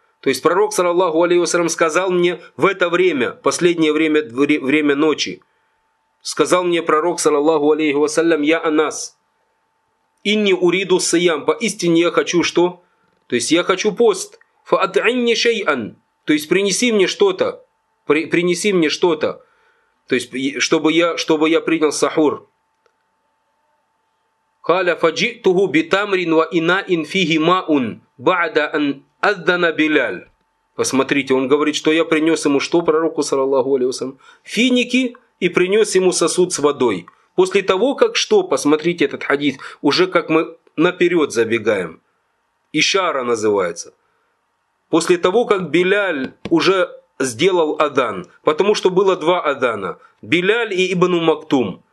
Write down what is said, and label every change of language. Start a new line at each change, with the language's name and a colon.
Russian: То есть, пророк, саллаллаху алейхи вассалям, сказал мне в это время, последнее время, время ночи, сказал мне пророк, саллаллаху алейхи вассалям,
Arabic: «Я Анас, инни уриду сиям»,
Russian: поистине я хочу что? То есть, я хочу пост.
Arabic: «Фа ат'инни шей'ан»,
Russian: то есть, принеси мне что-то, принеси мне что-то, то есть, чтобы я принял сахур.
Arabic: قال فجئته بتمر وإناء فيه ماء بعد أن أذن بلال.
Russian: Посмотрите, он говорит, что я принес ему что, пророку саллаллаху алейхи вассалям? Финики, и принес ему сосуд с водой. После того, как что, посмотрите этот хадис, уже как мы наперед забегаем. Ишара называется. После того, как Биляль уже сделал адан, потому что было два адана, Биляль и Ибн Мактум.